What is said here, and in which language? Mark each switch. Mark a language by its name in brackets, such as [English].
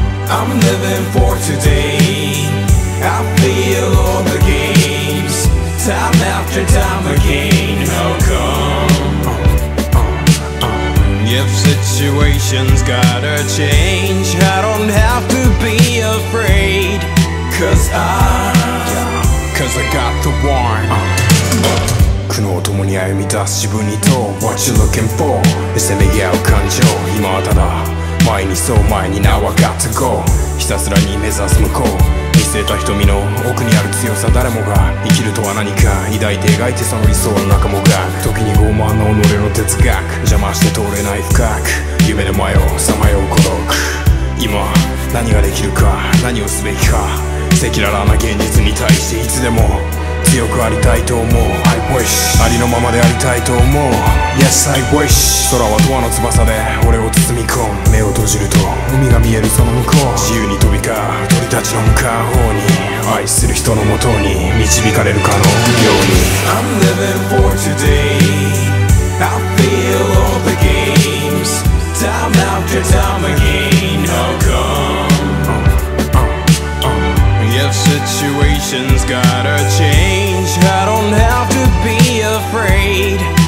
[English] I'm living for today, I feel all the games, time after time again. How come? If situations gotta change, I don't have to be afraid. Cause I got the one. [Japanese] 苦悩を共に歩み出す自分にと、 [English] What you looking for? [Japanese] せめぎ合う感情、今はただ前に、そう前に、 [English] Now I got to go. [Japanese] ひたすらに目指す向こう、見据えた瞳の奥にある強さ。誰もが生きるとは何か抱いて描いて、その理想の中もが時に傲慢な己の哲学、邪魔して通れない深く、夢で迷う、さまよう孤独。今何ができるか、何をすべきか、赤裸々な現実に対していつでも強くありたいと思う。 [English] I wish [Japanese] ありのままでありたいと思う。 [English] Yes I wish [Japanese] 空は永遠の翼で俺を包み込む。目を閉じると海が見える、その向こう、自由に飛び交う鳥たちの向かう方に、愛する人のもとに導かれるかのように。 [English] I'm living for today, I feel all the games, time after time again. How come? If situations gotta change, I don't have to be afraid.